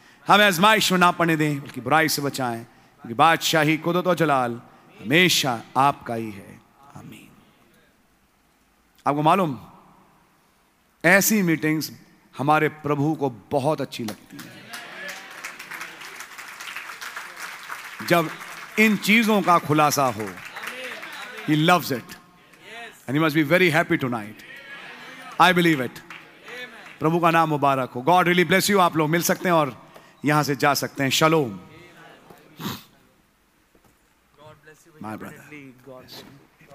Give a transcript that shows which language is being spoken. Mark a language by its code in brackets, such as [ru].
[hi] हमें आजमाइश में ना पड़ने दें बल्कि बुराई से बचाएं, क्योंकि बादशाही कुदरत और जलाल हमेशा आपका ही है। आमीन। आपको मालूम, ऐसी मीटिंग्स हमारे प्रभु को बहुत अच्छी लगती है, जब इन चीजों का खुलासा हो। [en] He loves it and he must be very happy tonight. I believe it. [hi] प्रभु का नाम मुबारक हो। [en] God really bless you. [hi] आप लोग मिल सकते हैं और यहां से जा सकते हैं। [en] Shalom. God bless you. My brother. God bless you.